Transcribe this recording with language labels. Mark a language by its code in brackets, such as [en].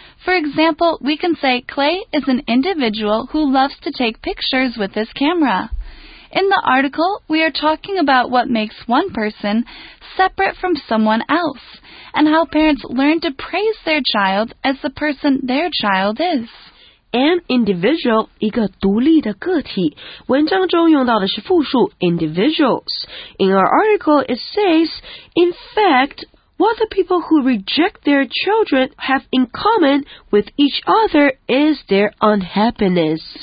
[en] For example, we can say Clay is an individual who loves to take pictures with his camera. In the article, we are talking about what makes one person separate from someone else, and how parents learn to praise their child as the person their child is. [zh] An individual, 一个独立的个体。文章中用到的是复数 individuals. [en] In our article, it says, in fact, what the people who reject their children have in common with each other is their unhappiness.